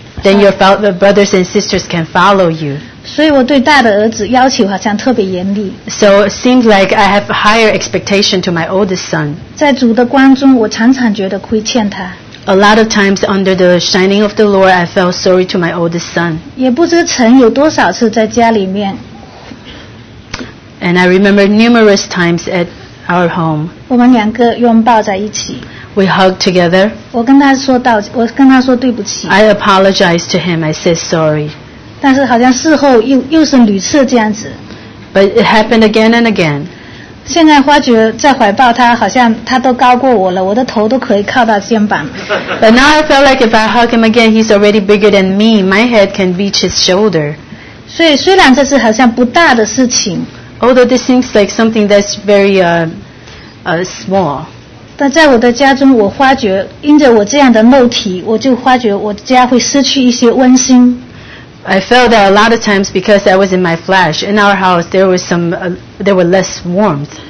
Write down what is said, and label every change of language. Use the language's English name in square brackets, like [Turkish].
[English] Then your brothers and sisters can follow you. [Chinese] 所以我对大的儿子要求好像特别严厉。 [English] So it seems like I have higher expectation to my oldest son. [Chinese] 在主的光中，我常常觉得亏欠他。 [English] A lot of times under the shining of the Lord, I felt sorry to my oldest son. [Chinese] 也不知曾有多少次在家里面。 [English] And I remember numerous times at our home. [Chinese] 我们两个拥抱在一起。 [English] We hugged together. [Chinese] 我跟他说对不起。 [English] I apologized to him. I said sorry. [Chinese] 但是好像事后又是屡次这样子。 [English] But it happened again and again. [Chinese] 现在发觉在怀抱他，好像他都高过我了，我的头都可以靠到肩膀。 [English] But now I felt like if I hug him again, he's already bigger than me. My head can reach his shoulder. [Chinese] 所以虽然这是好像不大的事情。 [English] Although this seems like something that's very small. [Chinese] 但在我的家中，我发觉，因着我这样的肉体，我就发觉我家会失去一些温馨。 [English] I felt that a lot of times because I was in my flesh, in our house there was some, there were less warmth.